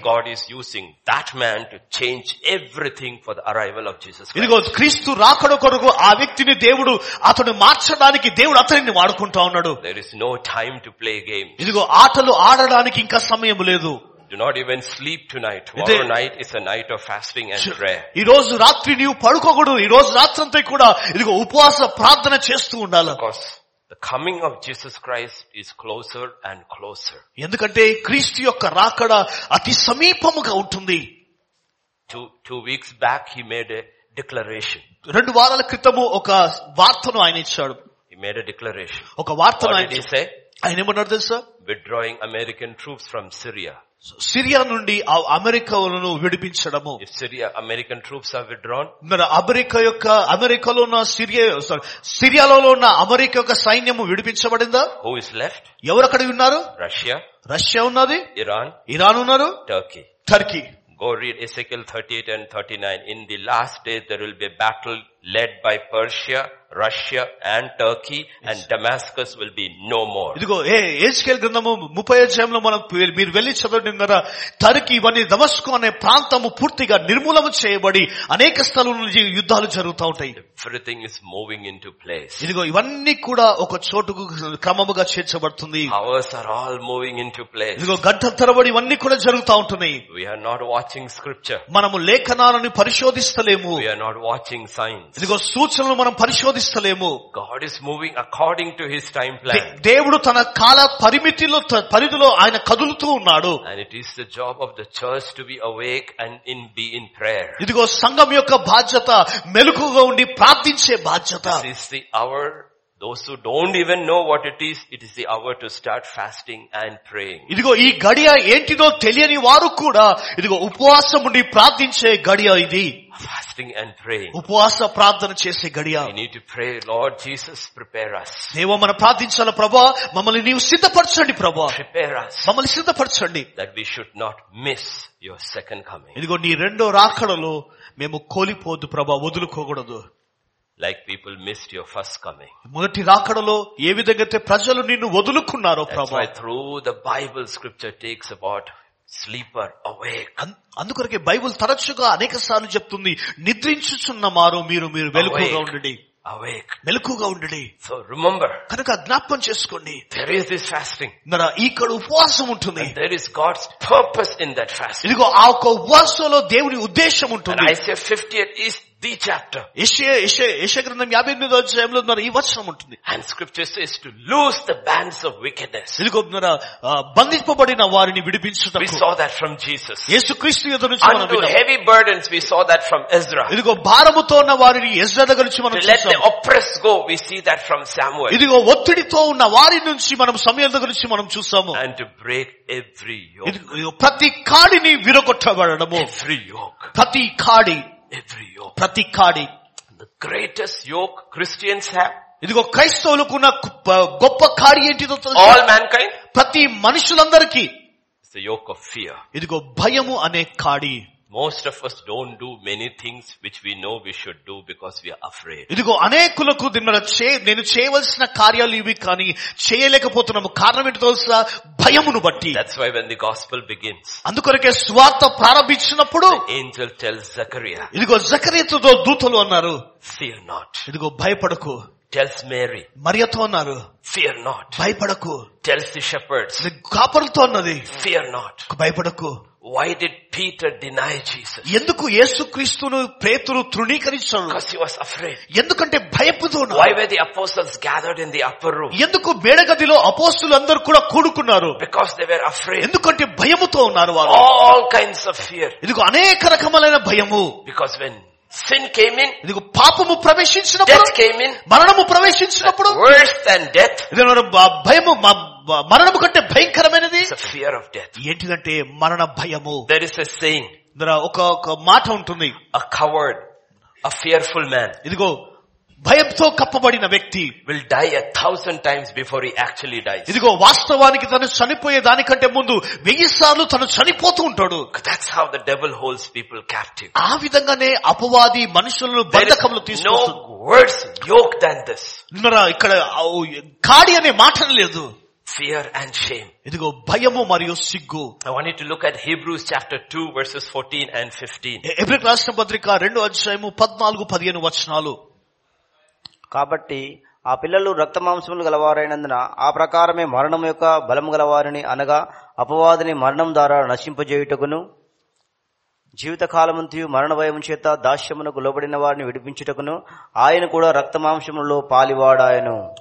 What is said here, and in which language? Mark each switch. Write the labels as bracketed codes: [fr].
[en] God is using that man to change everything for the arrival of Jesus Christ. [te] ఇదిగో క్రీస్తు రాకడ కొరకు ఆ వ్యక్తిని దేవుడు అతను మార్చడానికి దేవుడు అతనిని వాడుకుంటా ఉన్నాడు. [en] There is no time to play game. [te] ఇదిగో ఆటలు ఆడడానికి ఇంకా సమయం లేదు. [en] Do not even sleep tonight. Tomorrow night is a night of fasting and prayer. [te] ఈ రోజు రాత్రి నీవు పడుకోకూడదు. ఈ రోజు రాత్రి అంతా కూడా ఇదిగో ఉపవాస ప్రార్థన చేస్తూ ఉండాలి. [en] The coming of Jesus Christ is closer and closer. [te] ఎందుకంటే క్రీస్తు యొక్క రాకడ అతి సమీపముగా ఉంటుంది. [en] 2 weeks back he made a declaration. [te] 2 వారాల క్రితము ఒక వార్తను ఆయన ఇచ్చాడు. [en] He made a declaration. [te] ఒక వార్తను ఆయన ఇచ్చాడు. ఆయన ఏమన్నాడు తెలుసా? [en] Withdrawing American troops from Syria. [te] Syria నుండి ఆ అమెరికాలను విడిపించడము. [en] Syria American troops are withdrawn. [te] మరి అమెరికా యొక్క అమెరికాలో ఉన్న సిరియా, సారీ, సిరియాలో ఉన్న అమెరికా యొక్క సైన్యము విడిపించబడిందా? [en] Who is left? [te] ఎవరు అక్కడ ఉన్నారు? రష్యా. రష్యా ఉన్నది. ఇరాన్. ఇరాన్ ఉన్నారు. Turkey. Turkey. [en] Go read Ezekiel 38 and 39. In the last days there will be a battle led by Persia, Russia and Turkey, and yes, Damascus will be no more. [te] ఇదిగో ఏజ్కేల్ గ్రంథము 30వ అధ్యాయంలో మనం మీరు వెళ్లి చదవడిందరా, Turkey ఇవన్నీ దమస్కు అనే ప్రాంతము పూర్తిగా నిర్మూలన చేయబడి అనేక స్థలం నుంచి యుద్ధాలు జరుగుతూ ఉంటాయి. [en] Everything is moving into place. [te] ఇదిగో ఇవన్నీ కూడా ఒక చోటుకు క్రమముగా చేర్చబడుతుంది. [en] Hours are all moving into place. [te] ఇదిగో గంటల తరబడి ఇవన్నీ కూడా జరుగుతూ ఉంటున్నాయి. [en] We are not watching scripture. [te] మనము లేఖనాలను పరిశోధిస్తలేము. [en] We are not watching signs. [te] ఇదిగో సూచనలను మనం పరిశోధిస్తలేము. [en] God is moving according to his time plan. [te] దేవుడు తన కాల పరిమితిలో పరిధిలో ఆయన కదులుతూ ఉన్నాడు. [en] And it is the job of the church to be awake and in be in prayer. [te] ఇదిగో సంఘం యొక్క బాధ్యత మెలకుగా ఉండి ప్రార్థించే బాధ్యత. [en] This is the hour. Those who don't even know what it is the hour to start fasting and praying. [te] ఇదిగో ఈ గడియ ఏంటిదో తెలియని వారు కూడా ఇదిగో ఉపవాసముండి ప్రార్థించే గడియ ఇది. [en] Fasting and praying. [te] ఉపవాస ప్రార్థన చేసే గడియ. [en] We need to pray, Lord Jesus, prepare us. [te] దేవా మనం ప్రార్థించాలి ప్రభువా, మమ్మల్ని నీవు సిద్ధపరచండి ప్రభువా. [en] Prepare us. [te] మమ్మల్ని సిద్ధపరచండి. [en] That we should not miss your second coming. [te] ఇదిగో నీ రెండో రాకడలో మేము కోలిపోదు ప్రభువా, వదులుకోకూడదు. [en] Like people missed your first coming. [te] మొదటి రాకడలో ఏ విధంగా ప్రజలు నిన్ను వదులుకున్నారో ప్రభు. [en] Through the Bible scripture takes about sleeper awake. [te] అందుకొరకే బైబుల్ తరచుగా అనేక సార్లు చెప్తుంది, నిద్రించుచున్న మారు మీరు మీరు మెలకువగా ఉండండి. [en] Awake. [te] మెలకువగా ఉండండి. [en] So remember. [te] కనుక జ్ఞాపకం చేసుకోండి. [en] There is this fasting. [te] మన ఇక్కడ ఉపవాసం ఉంటుంది. [en] And there is God's purpose in that fasting. [te] ఇదిగో ఆ ఒక ఉపవాసంలో దేవుని ఉద్దేశం ఉంటుంది. [en] And Isaiah 58 is the chapter. [te] యెషయా గ్రంథం 58వ అధ్యాయంలో మన ఈ వచనం ఉంటుంది. [en] And scripture says to loose the bands of wickedness. [te] ఇదిగో మన బంధించబడిన వారిని విడిపించుటకు. [en] We saw that from Jesus. [te] యేసుక్రీస్తు యొద్ద నుంచి మనం విన్నాం. [en] Unto heavy burdens we saw that from Ezra. [te] ఇదిగో భారముతో ఉన్న వారిని ఎజ్రా దగ్గర నుంచి మనం చూసాం. [en] The oppressed go, we see that from Samuel. [te] ఇదిగో ఒత్తిడితో ఉన్న వారి నుంచి మనం సమయం దగ్గర నుంచి మనం చూసాము. [en] And to break every yoke. [te] ప్రతి కాడిని విరగొట్టబడడము. [en] Every yoke. [te] ప్రతి కాడి. [en] Every yoke. [te] ప్రతి కాడి. [en] The greatest yoke Christians have. [te] ఇదిగో క్రైస్తవులకున్న గొప్ప కాడి ఏంటిదో తెలుసు? [en] All mankind. [te] ప్రతి మనుషులందరికీ. [en] It's the yoke of fear. [te] ఇదిగో భయము అనే కాడి. [en] Most of us don't do many things which we know we should do because we are afraid. [te] ఇదిగొ అనేకులకు దినమున నేను చేయవలసిన కార్యాలు ఇవి కానీ చేయలేకపోతున్నాము కారణం ఏంటో తెలుసా భయమును బట్టి. [en] That's why when the gospel begins. [te] అందుకొరకే సువార్త ప్రారంభించినప్పుడు [en] angel tells Zechariah. [te] ఇదిగొ జకరియా దూతలు అన్నారు [en] fear not. [te] ఇదిగొ భయపడకు. [en] Tells Mary. [te] మరియతో అన్నారు [en] fear not. [te] భయపడకు. [en] Tells the shepherds. [te] కాపరులతో అన్నది [en] fear not. [te] భయపడకు. [en] Why did Peter deny Jesus? [te] ఎందుకు యేసు క్రీస్తును పేతురు తృణీకరించాడు? [en] Because he was afraid. [te] ఎందుకంటే భయపడుతున్నాడు? [en] Why were the apostles gathered in the upper room? [te] ఎందుకు మేడగదిలో అపోస్తులు అందరూ కూడా కూడుకున్నారు? [en] Because they were afraid. [te] ఎందుకంటే భయముతో ఉన్నారు వారు. [en] All kinds of fear. [te] ఇదిగో అనేక రకములైన భయము. [en] Because when sin came in, [te] ఇదిగో పాపము ప్రవేశించినప్పుడు, [en] death came in, [te] మరణము ప్రవేశించినప్పుడు, [en] worse than death, [te] ఇదిగో భయము మరణము కంటే భయంకరమైనది. [en] Fear of death. [te] ఏంటిదంటే మరణ భయము. [en] there is a saying, [te] దర ఒక ఒక మాట ఉంటుంది, [en] a covered, a fearful man, [te] ఇదిగో భయంతో కప్పబడిన వ్యక్తి, [en] Will die a thousand times before he actually dies. [te] ఇదిగో వాస్తవానికి తను చనిపోయే దానికంటే ముందు 1000 సార్లు తను చనిపోతూ ఉంటాడు. [en] That's how the devil holds people captive. [te] ఆ విధంగానే అపవాది మనుషులను బంధకములు తీసుకొస్తాడు. ఇక్కడ కాడి అనే మాట లేదు. [en] Fear and shame. [te] ఇదిగో భయము మరియు సిగ్గు. [en] I want you to look at Hebrews chapter 2 verses 14 and 15. [te] Hebrew రాష్ట్ర పత్రిక 2:14-15. కాబట్టి ఆ పిల్లలు రక్త మాంసములు గలవారైనందున ఆ ప్రకారమే మరణం యొక్క బలము గలవారిని అనగా అపవాదిని మరణం ద్వారా నశింపజేయుటకును జీవిత కాలమంతియు మరణ భయము చేత దాస్యమునకు లోబడిన వారిని విడిపించుటకును ఆయన కూడా రక్త మాంసములలో పాలివాడాయను.